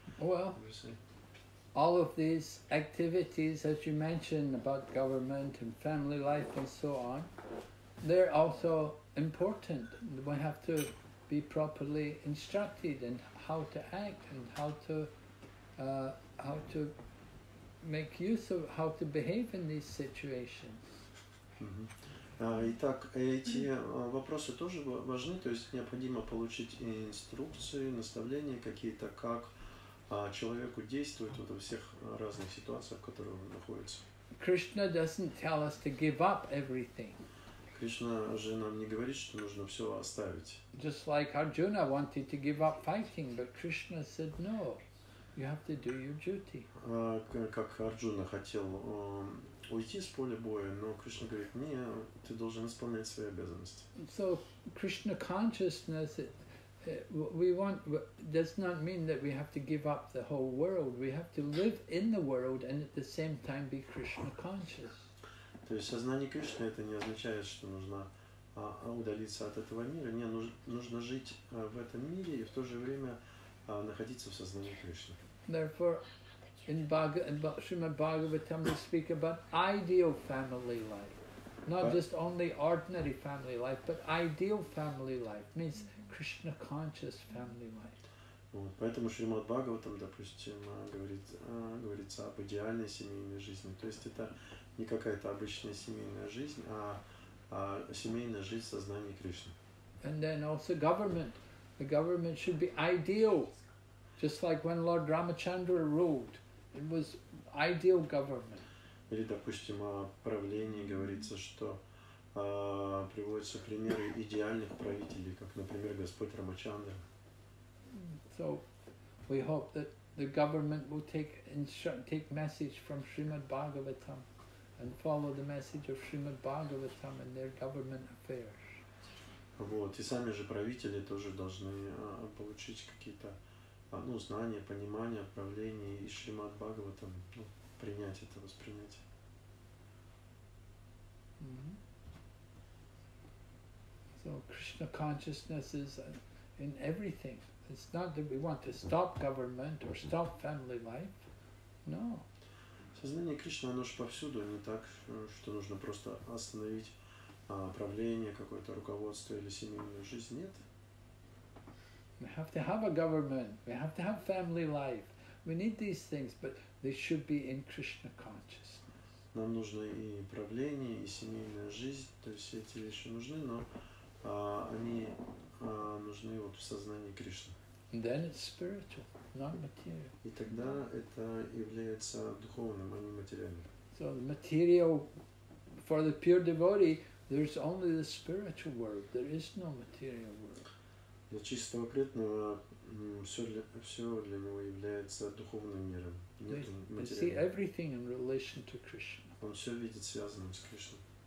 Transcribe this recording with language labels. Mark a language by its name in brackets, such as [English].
[English] Well, all of these activities, as you mentioned, about government and family life and so on, they're also important. We have to be properly instructed in how to act and how to make use of, how to behave in these situations. Mm-hmm. [Russian] Итак, эти вопросы тоже важны, то есть необходимо получить инструкции, наставления какие-то, как человеку действовать вот во всех разных ситуациях, в которых он находится. [English] Krishna doesn't tell us to give up everything. [Russian] Кришна же нам не говорит, что нужно все оставить. [English] Just like Arjuna wanted to give up fighting, but Krishna said no, you have to do your duty. [Russian] Как Арджуна хотел уйти с поля боя, но Кришна говорит, не, ты должен исполнять свои обязанности. [English] So Krishna consciousness, we want, does not mean that we have to give up the whole world. We have to live in the world and at the same time be Krishna conscious. [Russian] То есть сознание Кришны это не означает, что нужно удалиться от этого мира. Не, нужно жить в этом мире и в то же время находиться в сознании Кришны. [English] Therefore, Srimad Bhagavatam, we speak about ideal family life. Not just only ordinary family life, but ideal family life. Means Krishna conscious family life. [Russian] Вот, поэтому Шримад Бхагаватам, допустим, говорится об идеальной семейной жизни. То есть это не какая-то обычная семейная жизнь, а семейная жизнь в сознании Кришны. [English] And then also government. The government should be ideal. Just like when Lord Ramachandra ruled. It was ideal government. [Russian] Или, допустим, о правлении говорится, что приводятся примеры идеальных правителей, как, например, Господь Рамачандра. [English] So, we hope that the government will take message from Srimad Bhagavatam and follow the message of Srimad Bhagavatam in their government affairs. [Russian] Вот, и сами же правители тоже должны получить какие-то ну, знание, понимание, правление и Шримад Бхагаватам, ну, принять это, воспринять. [English] Mm-hmm. So Krishna consciousness is in everything. It's not that we want to stop government or stop family life. No. [Russian] Сознание Кришны, оно же повсюду, не так, что нужно просто остановить правление, какое-то руководство или семейную жизнь. Нет. [English] We have to have a government, we have to have family life. We need these things, but they should be in Krishna consciousness. [Russian] Нам нужно и правление, и семейная жизнь, то есть эти вещи нужны, но они нужны вот в сознании Кришны. [English] And then it's spiritual, not material. [Russian] И тогда это является духовным, а не материальным. [English] So the material for the pure devotee, there's only the spiritual world. There is no material world. [Russian] Для чистого преданного все для него является духовным миром, нет материального. [English] They see everything in relation to Krishna. [Russian] Он все видит связанным с Кришной.